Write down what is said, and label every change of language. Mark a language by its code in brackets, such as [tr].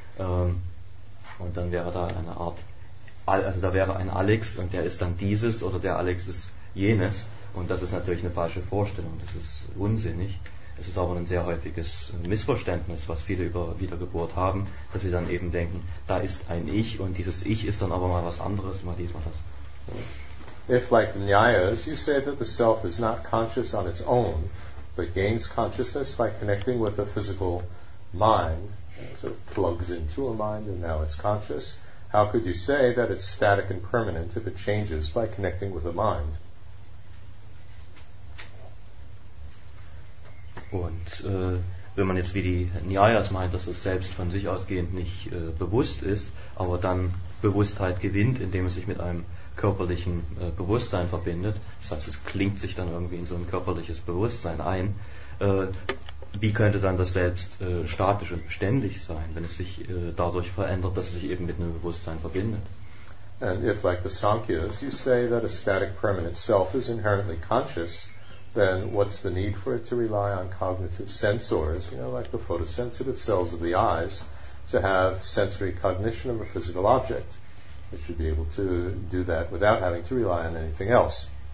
[de] Und dann wäre da eine Art, also da wäre ein Alex und der ist dann dieses oder der Alex ist jenes. Und das ist natürlich eine falsche Vorstellung, das ist unsinnig. Es ist aber ein sehr häufiges Missverständnis, was viele über Wiedergeburt haben, dass sie dann eben denken, da ist ein Ich und dieses Ich ist dann aber mal was anderes, mal dies, mal das. [en] If, like Nyayas, you say that the self is not conscious on its own, but gains consciousness by connecting with a physical mind, so it plugs into a mind and now it's conscious, how could you say that it's static and permanent if it changes by connecting with a mind? [de] Und wenn man jetzt wie die Nyayas meint, dass es selbst von sich ausgehend nicht bewusst ist, aber dann Bewusstheit gewinnt, indem es sich mit einem körperlichen Bewusstsein verbindet, das heißt, es klingt sich dann irgendwie in so ein körperliches Bewusstsein ein, wie könnte dann das Selbst statisch und beständig sein, wenn es sich dadurch verändert, dass es sich eben mit einem Bewusstsein verbindet? [en] And if, like the Sankhyas, you say that a static permanent self is inherently conscious, then what's the need for it to rely on cognitive sensors, you know, like the photosensitive cells of the eyes, to have sensory cognition of a physical object? It should be able to do that without having to rely on anything else.